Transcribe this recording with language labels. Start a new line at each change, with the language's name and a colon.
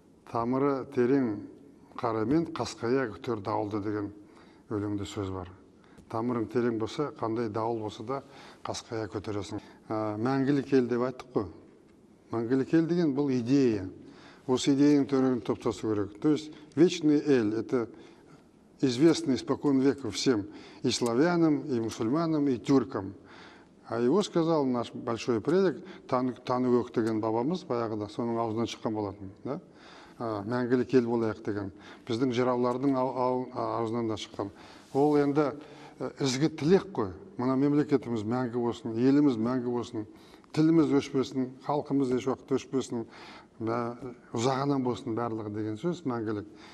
Kazakh: Тамыры терең қарамен қасқая күтер дауылды деген өлеңде сөз бар. Тамырың терең болса, қандай дауыл болса да қасқая көтересің. Мәңгілік ел деп айттық қой. Мәңгілік ел деген бұл идея. Осы идеяның төрін топтасу керек.
Russian: То есть вечный ел – это известный испокон века всем и славянам, и мусульманам, и тюркам. А его сказал наш большой предок
Kazakh: Танығөк деген бабамыз баяғыда, соның аузынан шыққан болатын.
Russian: Да?
Kazakh: Мәңгілік ел болайық деген. Біздің жыраулардың аузынан да шыққан. Ол енді ізгі тілек қой. Мына мемлекетіміз мәңгі болсын, еліміз мәңгі болсын, тіліміз өшпесін, халқымыз еш уақыт өшпесін, ұзағынан болсын барлығы деген сөз мәңгілік.